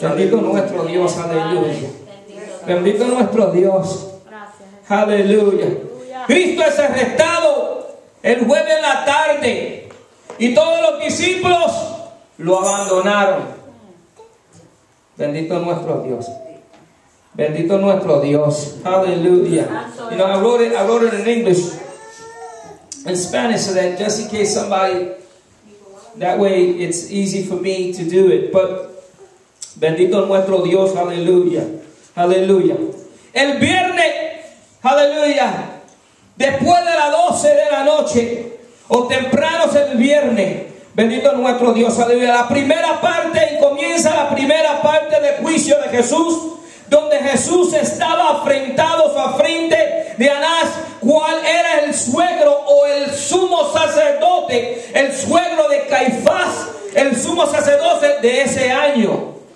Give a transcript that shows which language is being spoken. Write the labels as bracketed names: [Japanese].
[Spanish] Bendito nuestro Dios, aleluya. Bendito nuestro Dios. Aleluya. Cristo es arrestado el jueves en la tarde y todos los discípulos lo abandonaron. Bendito nuestro Dios. Bendito nuestro Dios. Hallelujah. [English] You know, I wrote it in English, in Spanish, so that just in case somebody, that way it's easy for me to do it. [Spanish] But bendito nuestro Dios. Hallelujah. Hallelujah. El viernes, hallelujah, después de las 12 de la noche, o temprano el viernes, bendito nuestro Dios, aleluya. La primera parte, y comienza la primera parte del juicio de Jesús, donde Jesús estaba afrentado a frente de Anás, cuál era el suegro o el sumo sacerdote, el suegro de Caifás, el sumo sacerdote de ese año.